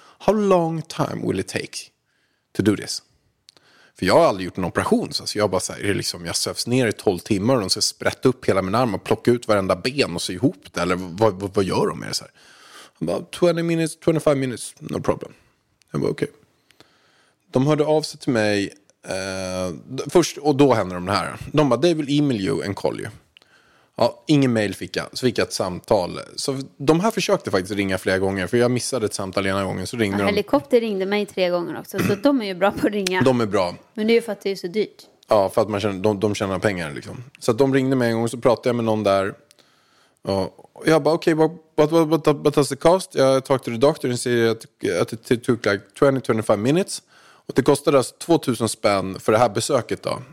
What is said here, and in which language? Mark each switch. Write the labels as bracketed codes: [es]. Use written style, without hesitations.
[en] How long time will it take? To do this. [sv] För jag har aldrig gjort en operation. Så jag bara så här, liksom, jag sövs ner i 12 timmar. Och de ska sprätta upp hela min arm. Och plocka ut varenda ben och se ihop det. Eller vad gör de med det så här? Bara, [en] 20 minutes, 25 minutes. No problem. [sv] Jag bara okej. [en] Okay. [sv] De hörde av sig till mig. Först, och då händer de här. De bara, [en] they will email you and call you. [sv] Ja, ingen mail fick jag. Så fick jag ett samtal. Så de här försökte faktiskt ringa flera gånger. För jag missade ett samtal ena gången. Så ringde de. Helikopter ringde mig 3 gånger också. Så de är ju bra på att ringa. De är bra. Men det är ju för att det är så dyrt. Ja, för att man känner, de tjänar pengar liksom. Så att de ringde mig en gång. Så pratade jag med någon där. Och jag bara, okej, [en] okay, what does it cost? [sv] Jag [en] talked to the doctor and said [sv] att [en] it took like 20-25 minutes. [sv] Och det kostade alltså 2000 spänn för det här besöket då.